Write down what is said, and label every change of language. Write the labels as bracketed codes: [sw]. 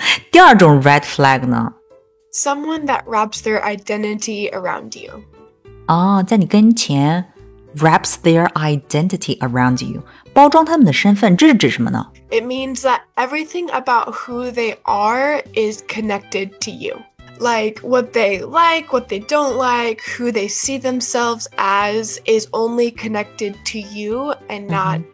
[zh] 第二种 red flag 呢？ [en] Someone that wraps their identity around you. [zh] 在你跟前 [en] wraps their identity around you. [zh] 包装他们的身份，这是指什么呢？ [en] It means that everything about who they are is connected to you. Like what they like, what they don't like, who they see themselves as is only connected to you and not、mm-hmm.